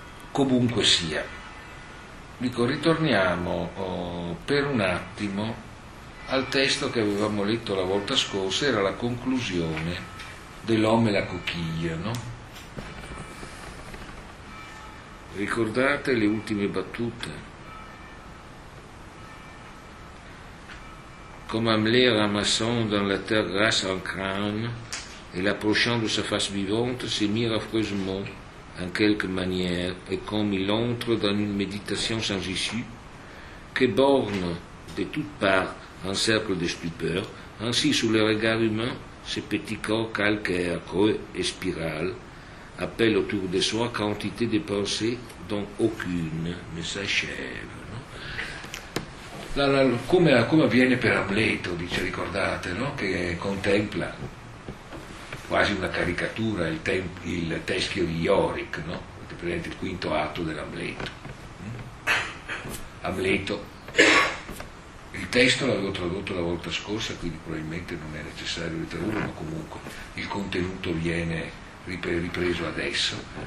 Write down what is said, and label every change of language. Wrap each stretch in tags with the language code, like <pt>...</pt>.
<it>Comunque sia, dico, ritorniamo per un attimo al testo che avevamo letto la volta scorsa, era la conclusione dell'Homme e la coquille, no? Ricordate le ultime battute?</it> <fr>Comme Amelie ramassant dans la terre grasse un crâne et l'approchant de sa face vivante s'est mis affreusement en quelque manière et comme il entre dans une méditation sans issue que borne de toutes parts un cercle de stupeur, ainsi sous le regard humain, ces petits corps calcaires, creux et spirales appellent autour de soi quantité de pensées dont aucune ne s'achève.</fr> <it>Come avviene per Amleto, dice, ricordate, no? Che contempla quasi una caricatura il teschio di Yorick, no? Il quinto atto dell'Amleto. Amleto, il testo l'avevo tradotto la volta scorsa, quindi probabilmente non è necessario ritradurlo, ma comunque il contenuto viene ripreso adesso.</it>